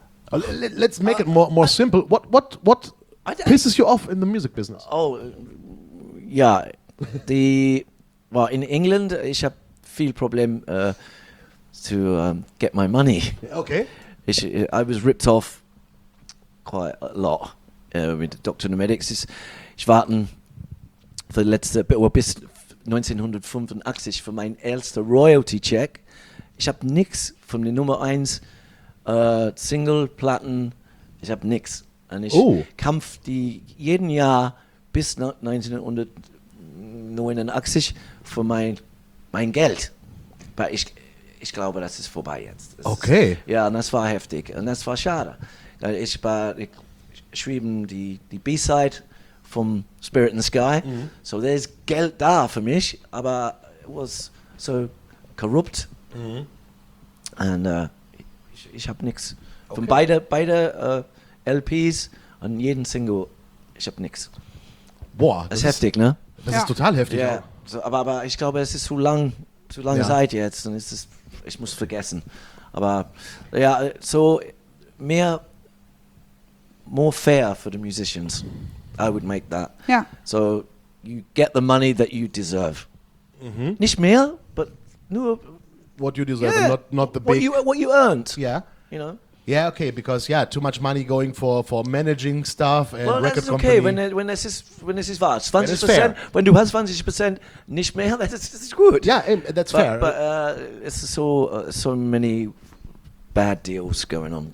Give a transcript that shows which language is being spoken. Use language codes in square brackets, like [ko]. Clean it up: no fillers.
[en] Let's make it more simple. What pisses you off in the music business? [de] Oh, ja. In England, ich habe viel Problem [en] to get my money. Okay. I was ripped off quite a lot with Doctor and the Medics. [de] Ich warte für die letzte bis 1985 für mein erster Royalty Check. Ich habe nichts von der Nummer 1 Single Platten. Ich habe nichts. Und ich kämpfe jeden Jahr bis 1989 für mein Geld. Weil ich glaube, das ist vorbei jetzt. Das okay. Ist, ja, und das war heftig. Und das war schade. Ich schrieb die B-Side vom Spirit in the Sky. Mhm. So, da ist Geld da für mich, aber es war so korrupt. Mhm. Und ich habe nichts. Okay. Von beide LPs und jedem Single, ich habe nichts. Boah. Das ist heftig, ne? Das ist total heftig. Ja, so, aber ich glaube, es ist zu lange Zeit jetzt. Und ich muss vergessen. Aber ja, [en] so more fair for the musicians. I would make that. [de] Ja. [en] So you get the money that you deserve. [de] Mm-hmm. Nicht mehr, [en] but [de] nur [en] what you deserve, yeah. not the big what you earned. Yeah. You know. Yeah, okay, because too much money going for managing stuff and record company. Well, that's okay. When this is wahr. [de] 20%, when du hast 20% nicht mehr, [en] that's good. Yeah, that's but, fair. But it's so many bad deals going on.